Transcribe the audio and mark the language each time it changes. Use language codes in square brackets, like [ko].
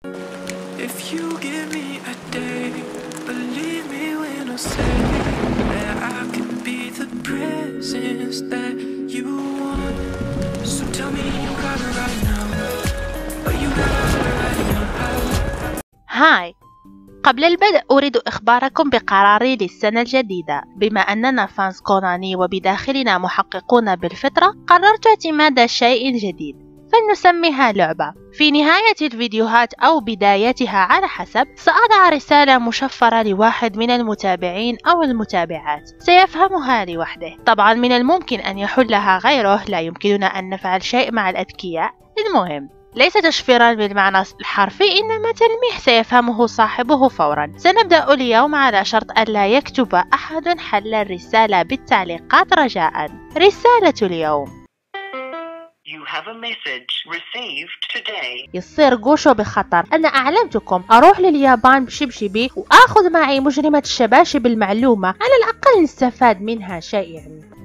[en] If you give me a day, believe me when I say that I can be the presence that you want. So tell me you got it right now, but you got it right now. Hi. [ar] قبل البدء أريد إخباركم بقراري للسنة الجديدة. بما أننا فانز كوناني وبداخلنا محققون بالفطرة، قررت اعتماد شيء جديد فلنسميها لعبة. في نهاية الفيديوهات أو بدايتها على حسب، سأضع رسالة مشفرة لواحد من المتابعين أو المتابعات، سيفهمها لوحده. طبعا من الممكن أن يحلها غيره، لا يمكننا أن نفعل شيء مع الأذكياء. المهم ليس تشفيرا بالمعنى الحرفي، إنما تلميح سيفهمه صاحبه فورا. سنبدأ اليوم على شرط ألا يكتب أحد حل الرسالة بالتعليقات رجاء. رسالة اليوم: [en] You have a message received today. [ar] يصير غوشو بخطر. أنا أعلمتكم أروح لليابان بشبشبي وأخذ معي مجرمة الشباشب المعلومة، على الأقل نستفاد منها شيئا.